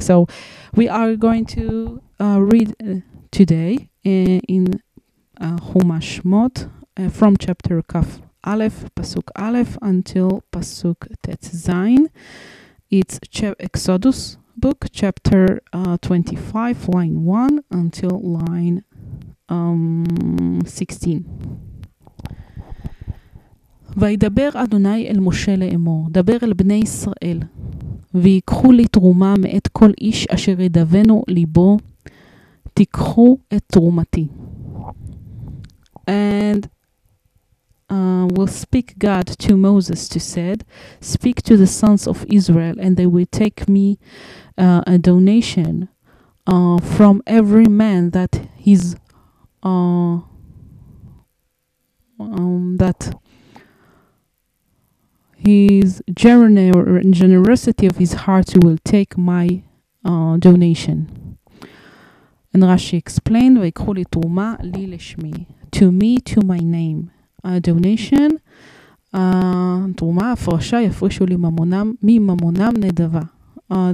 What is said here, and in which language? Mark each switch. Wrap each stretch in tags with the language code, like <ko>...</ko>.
<en>So we are going to read today in Humash Mot from chapter Kaf Aleph, Pasuk Aleph, until Pasuk Tet Zain. It's Exodus book, chapter 25, line 1, until line 16.</en> <he>וידבר אדוני אל משה לאמור, דבר אל בני ישראל, ויקחו לי תרומה מאת כל איש אשר ידבנו ליבו, תיקחו את תרומתי.</he> <en>And will speak God to Moses to said, speak to the sons of Israel and they will take me a donation from every man that his that his generosity of his heart will take my donation. And Rashi explained,</en> <he>ויקחו לי תרומה לי לשמי,</he> <en>to me, to my name. A donation,</en> <he>תרומה, הפרשה, יפרישו לי ממונם, מממונם נדבה.</he>